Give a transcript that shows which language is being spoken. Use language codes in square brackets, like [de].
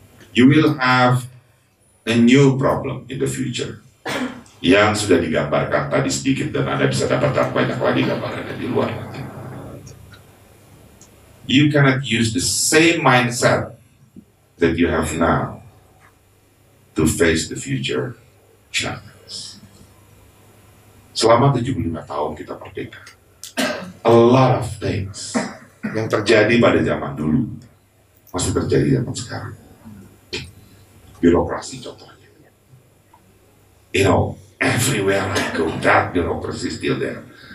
[en] You will have a new problem in the future [id] yang sudah digambarkan tadi sedikit dan Anda bisa dapat banyak lagi gambaran di luar. [en] You cannot use the same mindset that you have now to face the future challenge. [id] Selama 75 tahun kita merdeka, [en] a lot of things [id] yang terjadi pada zaman dulu masih terjadi zaman sekarang. Birokrasi contohnya. [en] You know, everywhere I go, that bureaucracy is still there.